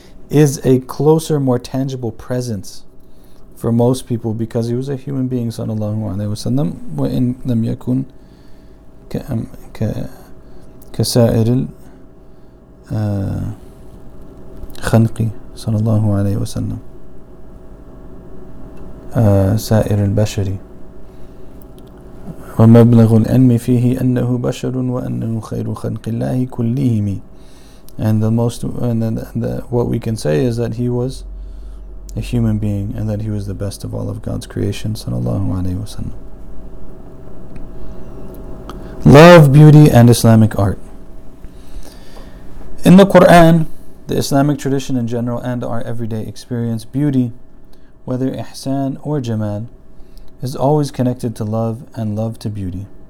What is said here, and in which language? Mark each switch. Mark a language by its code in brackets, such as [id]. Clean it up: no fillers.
[en] is a closer, more tangible presence for most people because he was a human being, sallallahu alayhi wa sallam, [ar] wa in lam yakun ka sa'ir al khanqi, sallallahu alayhi wa sallam, sa'ir al bashari. ومبلغ العلم فيه أنه بشر وأنه خير خلق الله كلهم. [en] And the most, what we can say is that he was a human being and that he was the best of all of God's creation, sallallahu alaihi wasallam. Love, beauty, and Islamic art. In the Quran, the Islamic tradition in general, and our everyday experience, beauty, whether ihsan or jamal, is always connected to love and love to beauty.